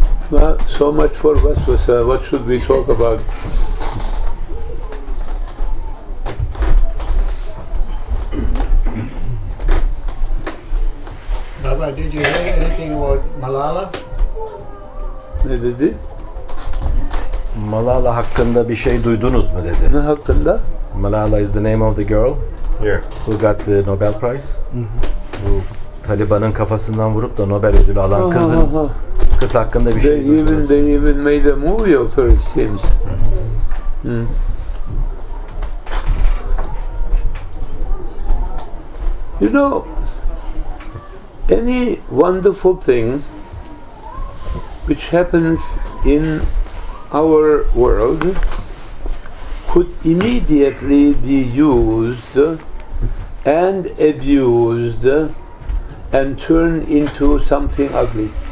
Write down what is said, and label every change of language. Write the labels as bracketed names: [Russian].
[English] Well, so much for waswasa, what should we talk about? Baba, did you hear anything about Malala? [Turkish] Ne dedi? Malala hakkında bir şey duydunuz mu dedi. Ne hakkında? [English] Malala is the name of the girl yeah. who got the Nobel Prize. [Turkish] Mm-hmm. Bu Taliban'ın kafasından vurup da Nobel ödülü alan kızın başkası hakkında bir şey duydunuz. [English] They even made a movie of her, it seems. You know, any wonderful thing which happens in our world could immediately be used and abused and turned into something ugly.